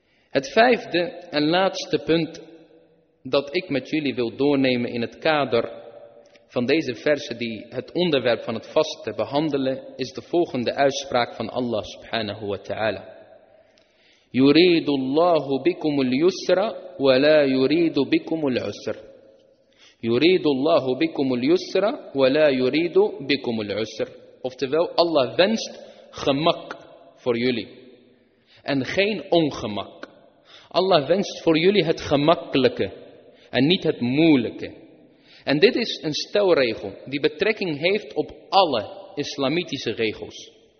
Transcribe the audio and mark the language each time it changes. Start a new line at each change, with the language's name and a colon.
Dutch: Het vijfde en laatste punt dat ik met jullie wil doornemen in het kader van deze verse die het onderwerp van het vaste behandelen, is de volgende uitspraak van Allah subhanahu wa ta'ala:
Arabic: يُرِيدُ اللَّهُ بِكُمُ الْيُسْرَ وَلَا يُرِيدُ بِكُمُ الْعُسْرَ. يريد الله بكم اليسر ولا يريد بكم العسر.
Dutch: Oftewel, Allah wenst gemak voor jullie en geen ongemak. Allah wenst voor jullie het gemakkelijke en niet het moeilijke. En dit is een stelregel die betrekking heeft op alle islamitische regels.